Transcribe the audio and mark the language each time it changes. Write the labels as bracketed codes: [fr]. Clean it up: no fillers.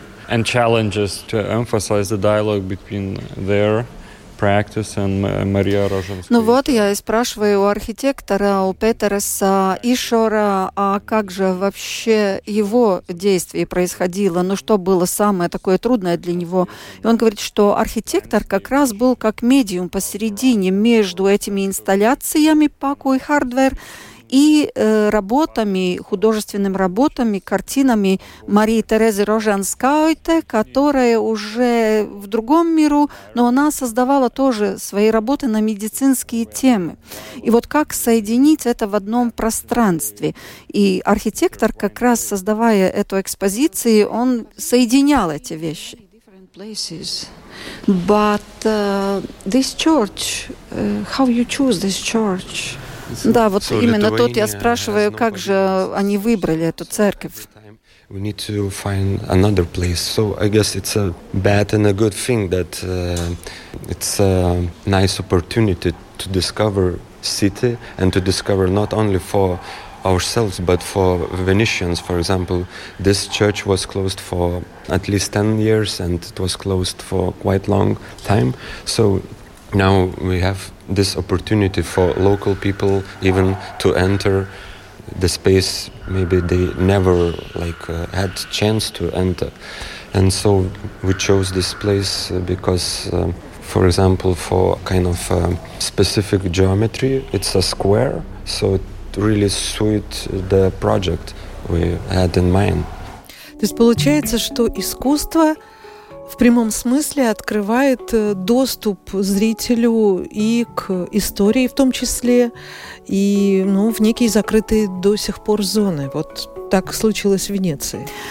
[en] And challenges to emphasize the dialogue between there practice and Maria Rozhinskaya. [ru] Ну вот я и спрашиваю у архитектора, у Петераса Ишора, а как же вообще его действие происходило? Ну что было самое такое трудное для него? И он говорит, что архитектор как раз был как медиум посередине между этими инсталляциями Paco и Hardware и работами, художественными работами, картинами Марии Терезы Рожанскауте, которая уже в другом миру, но она создавала тоже свои работы на медицинские темы. И вот как соединить это в одном пространстве? И архитектор, как раз создавая эту экспозицию, он соединял эти вещи. [en] But this church, how you choose this church? [ru] Да, вот so именно тут я спрашиваю, как же они выбрали эту церковь. [en] So I guess it's a bad and a good thing that it's a nice opportunity to discover city and to discover not only for ourselves but for Venetians. For example, this church was closed for at least 10 years and it was closed for quite long time. So now we have this opportunity for local people even to enter the space maybe they never like had chance to enter. And so we chose this place because for example for kind of specific geometry it's a square, so it really suit the project we had in mind. [ru] То есть получается, что искусство в прямом смысле открывает доступ зрителю и к истории в том числе, и ну, в некие закрытые до сих пор зоны. Вот так случилось в Венеции.